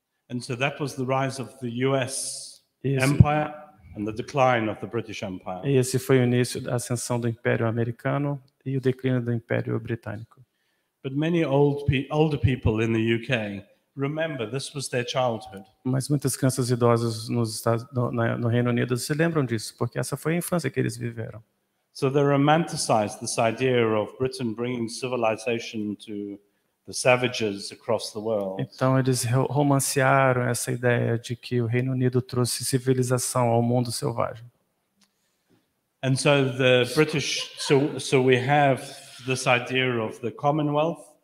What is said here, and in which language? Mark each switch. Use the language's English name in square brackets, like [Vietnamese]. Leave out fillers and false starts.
[English] And so that was the rise of the US empire and the decline of the British empire. [Portuguese] E esse foi o início da ascensão do império americano e o declínio do império britânico. [English] But many older people in the UK remember, this was their childhood. [Portuguese] Mas muitas crianças idosas no Reino Unido se lembram disso, porque essa foi a infância que eles viveram. [English] So they romanticized this idea of Britain bringing civilization to the savages across the world. [Portuguese] Então eles romancearam essa ideia de que o Reino Unido trouxe civilização ao mundo selvagem. [English] And so the British, so we have this idea of the Commonwealth.